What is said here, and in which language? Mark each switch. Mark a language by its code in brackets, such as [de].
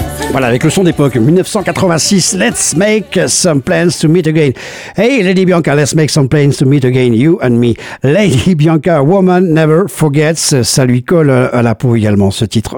[fr] Voilà, avec le son d'époque, 1986, Let's Make Some Plans to Meet Again. [en] Hey Lady Bianca, let's make some plans to meet again, you and me. [fr] Lady Bianca, Woman Never Forgets, ça lui colle à la peau également ce titre.